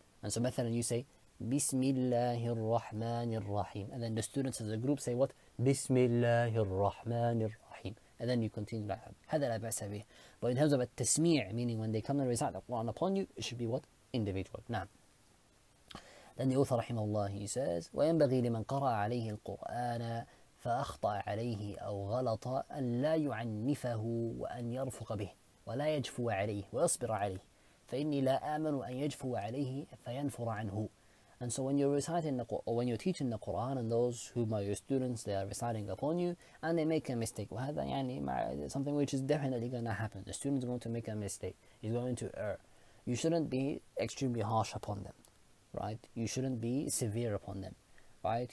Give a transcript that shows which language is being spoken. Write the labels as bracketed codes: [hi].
[en] And so [ar] مثلا [en] you say, [ar] بِسْمِ اللَّهِ الرَّحْمَنِ الرَّحِيمِ. [en] And then the students of the group say what? [ar] بِسْمِ اللَّهِ الرَّحْمَنِ الرَّحِيمِ. [en] And then you continue like that. [ar] هَذَا لَا بَأْسَ بِهِ. [en] But in terms of التسميع, meaning when they come and recite the Quran upon you, it should be what? Individual. [ar] نعم. [en] Then the author, [ar] رحمه الله, [en] he says, [ar] وَيَنْبَغِي لِمَنْ قَرَأَ عَلَيْهِ الْقُرْآنَ فأخطأ عليه أو غلط أن لا يعنفه وأن يرفق به ولا يجفو عليه ويصبر عليه فإني لا آمن أن يجفو عليه فينفر عنه. [en] And so when you're reciting the, or when you're teaching the Quran and those whom are your students, they are reciting upon you and they make a mistake. [ar] وهذا يعني [en] something which is definitely going to happen. The student is going to make a mistake. He's going to err. You shouldn't be extremely harsh upon them, right? You shouldn't be severe upon them, right?